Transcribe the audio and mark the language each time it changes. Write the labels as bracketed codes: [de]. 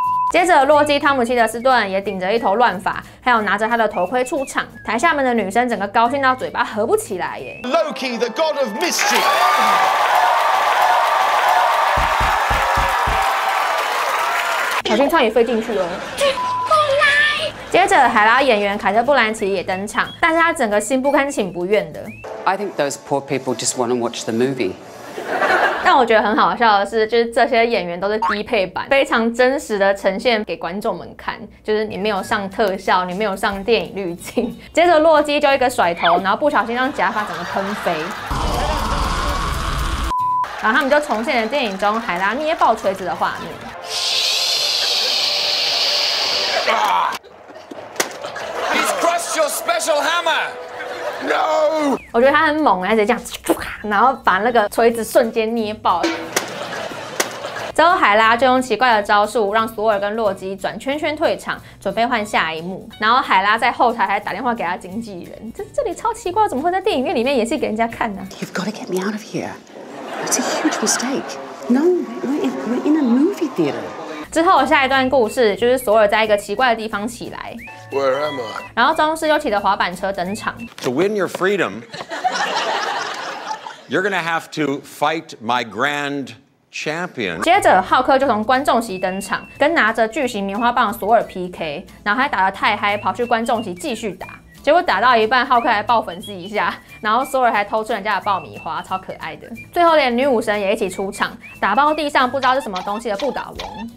[zh] 接着洛基汤姆希德斯顿也顶着一头乱发，还有拿着他的头盔出场，台下们的女生整个高兴到嘴巴合不起来耶。 [en] Loki the god of mischief。 [zh] 小心唱也飞进去了。接着海拉演员凯特布兰奇也登场，但是他整个心不甘情不愿的。 [en] I think those poor people just want to watch the movie。 [zh] 但我觉得很好笑的是，就是这些演员都是低配版，非常真实的呈现给观众们看，就是你没有上特效，你没有上电影滤镜。接着洛基就一个甩头，然后不小心让假发整个喷飞，然后他们就重现了电影中海拉捏爆锤子的画面。 [en] He's crushed your special hammer. No. [zh] 我觉得他很猛，他直接这样，然后把那个锤子瞬间捏爆。之后海拉就用奇怪的招数让索尔跟洛基转圈圈退场，准备换下一幕。然后海拉在后台还打电话给他经纪人，这里超奇怪，怎么会在电影院里面演戏给人家看呢？ [en] You've got to get me out of here. That's a huge mistake. No, we're in a movie theater. [zh] 之后下一段故事就是索尔在一个奇怪的地方起来。 [en] Where am I? [zh] 然后装饰又骑着滑板车登场。 [en] To win your freedom, you're gonna have to fight my grand champion. [zh] 接着浩克就从观众席登场，跟拿着巨型棉花棒的索尔 PK， 然后还打得太嗨，跑去观众席继续打。结果打到一半，浩克还爆粉丝一下，然后索尔还偷吃人家的爆米花，超可爱的。最后连女武神也一起出场，打爆地上不知道是什么东西的不倒翁。